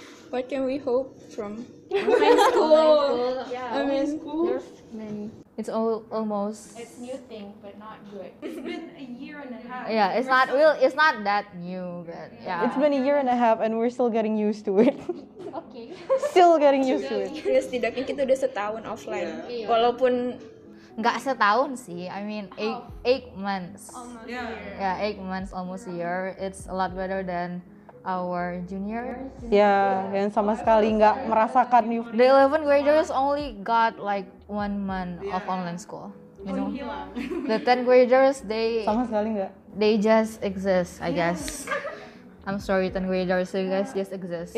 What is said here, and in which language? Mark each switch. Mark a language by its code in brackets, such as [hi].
[en] What can we hope from school? Yeah, I mean school. There's many. It's all almost. It's new thing, but not good. It's been a year and a half. Yeah, it's not real. It's not that new, but yeah. It's been a year and a half, and we're still getting used to it. Okay. Still getting used to it. [id] Yes, tidaknya kita udah setahun offline. [en] Yeah. [id] Walaupun nggak setahun sih. [en] I mean eight months. Almost. Yeah. Yeah, 8 months, almost a year. It's a lot better than our junior. [id] Yeah, yang sama sekali nggak merasakan new. [en] The 11th graders only got like 1 month of online school. You know? The 10th graders, they [id] sama sekali nggak. [en] They just exist, I guess. I'm sorry, 10th grader, so you guys just exist.